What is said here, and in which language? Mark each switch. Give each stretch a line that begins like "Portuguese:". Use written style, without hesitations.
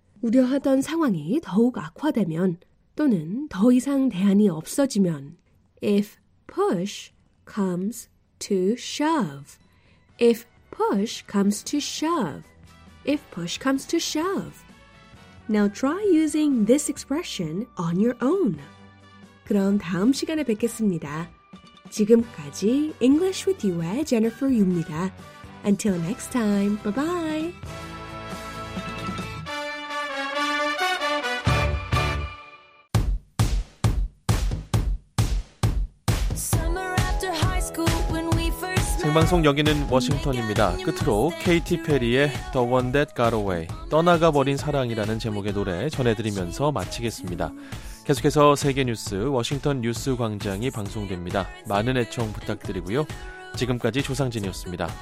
Korean: 우려하던 상황이 더욱 악화되면 또는 더 이상 대안이 없어지면
English: If push comes to shove. If push comes to shove. If push comes to shove. Now try using this expression on your own.
Korean: 그럼 다음 시간에 뵙겠습니다. 지금까지 English with You의 Jennifer Yu입니다.
English: Until next time, bye-bye! Summer after high school when we first met.
Korean: 생방송 여기는 워싱턴입니다. 끝으로 케이티 페리의 The One That Got Away, 떠나가 버린 사랑이라는 제목의 노래 전해드리면서 마치겠습니다. 계속해서 세계 뉴스 워싱턴 뉴스 광장이 방송됩니다. 많은 애청 부탁드리고요. 지금까지 조상진이었습니다.